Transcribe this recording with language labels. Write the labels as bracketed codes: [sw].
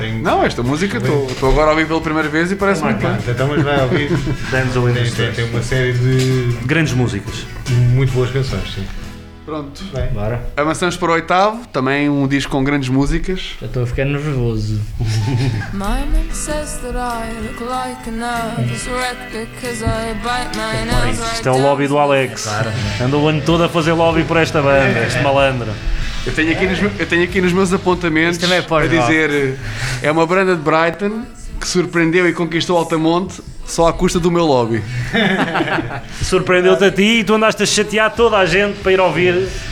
[pt] Não, esta música estou agora a ouvir pela primeira vez e parece muito bem. Então, mas vai ouvir. [en] Dance [pt] Away Nights. Tem uma série de. Grandes músicas. Muito boas canções, sim. Pronto. Bem, bora. Avançamos para o oitavo, também um disco com grandes músicas. Já estou a ficar nervoso. [en] My mom says that I look like a nervous wreck because I bite my nails. [pt] Isto é o lobby do Alex. Anda o ano todo a fazer lobby por esta banda, este malandro. Eu tenho aqui nos meus apontamentos a dizer: é uma banda de Brighton que surpreendeu e conquistou Altamonte. Só à custa do meu lobby. Surpreendeu-te a ti e tu andaste a chatear toda a gente para ir ouvir.